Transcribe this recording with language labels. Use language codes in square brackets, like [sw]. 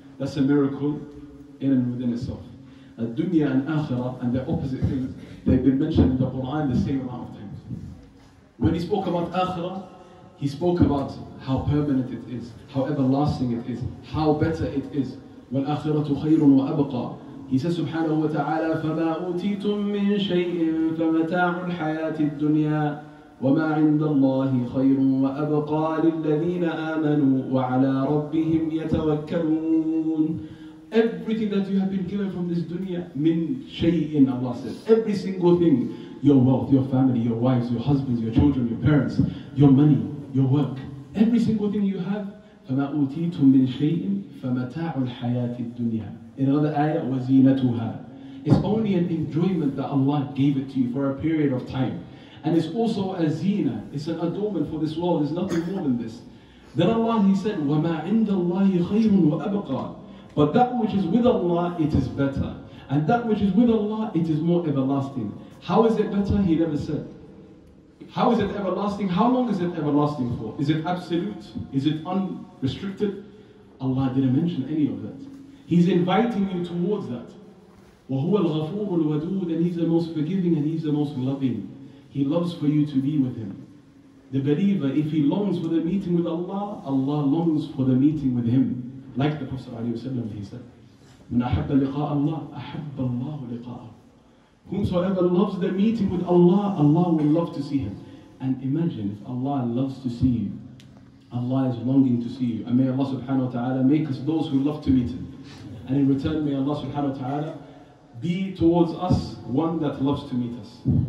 [en] That's a miracle in and within itself. The dunya and akhirah and their opposite things, they've been mentioned in the Quran the same amount of times. When He spoke about akhirah, He spoke about how permanent it is, how everlasting it is, how better it is. [ar] وَالْآخِرَةُ خَيْرٌ وَأَبْقَى. [en] He says, [ar] subhanahu wa ta'ala, فَمَا أُوتِيتُم مِّن شَيْءٍ فَمَتَاعُ الْحَيَاةِ الدُّنْيَا وَمَا عِنْدَ اللَّهِ خَيْرٌ وَأَبْقَى لِلَّذِينَ آمَنُوا وَعَلَىٰ رَبِّهِمْ يَتَوَكَّلُونَ. [en] Everything that you have been given from this dunya, min shay'in, Allah says, every single thing, your wealth, your family, your wives, your husbands, your children, your parents, your money, your work, every single thing you have, [ar] فَمَا أُوتِيتُم مِّن شَيْءٍ فَمَتَاعُ الْحَيَاةِ الدُّنْيَا. [en] In another ayah, وَزِينَتُهَا. It's only an enjoyment that Allah gave it to you for a period of time. And it's also a zina. It's an adornment for this world. There's nothing more than this. Then Allah, He said, [ar] وَمَا عِنْدَ اللَّهِ خَيْرٌ وَأَبْقَى. [en] But that which is with Allah, it is better. And that which is with Allah, it is more everlasting. How is it better? He never said. How is it everlasting? How long is it everlasting for? Is it absolute? Is it unrestricted? Allah didn't mention any of that. He's inviting you towards that. [ar] وَهُوَ الْغَفُورُ الْوَدُودُ. [en] And He's the most forgiving and He's the most loving. He loves for you to be with Him. The believer, if he longs for the meeting with Allah, Allah longs for the meeting with him. Like the Prophet ﷺ, he said, [ar] مَنْ أَحَبَّ لِقَاءَ اللَّهِ أَحَبَّ اللَّهُ لِقَاءَهُ. [en] Whomsoever loves the meeting with Allah, Allah will love to see him. And imagine if Allah loves to see you, Allah is longing to see you. And may Allah subhanahu wa ta'ala make us those who love to meet Him. And in return, may Allah subhanahu wa ta'ala be towards us one that loves to meet us.